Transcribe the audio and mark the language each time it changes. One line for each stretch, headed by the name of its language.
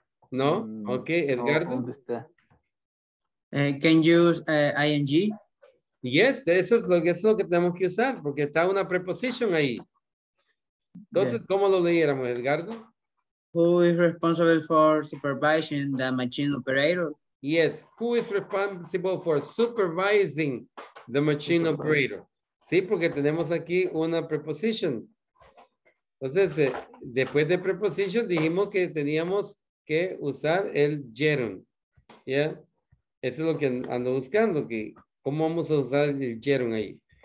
English: No, okay, Edgardo. Can you use ing?
Spanish: Yes, eso es lo que tenemos que usar porque está una preposición ahí. Entonces, yes. ¿Cómo lo leyéramos, Edgardo?
English: Who is responsible for supervising the machine operator? Yes, who is responsible for supervising the machine operator?
Spanish: Sí, porque tenemos aquí una preposición. Entonces, después de preposición dijimos que teníamos que usar el gerund. ¿Ya? Yeah. Eso es lo que ando buscando, que cómo vamos a usar el gerund ahí.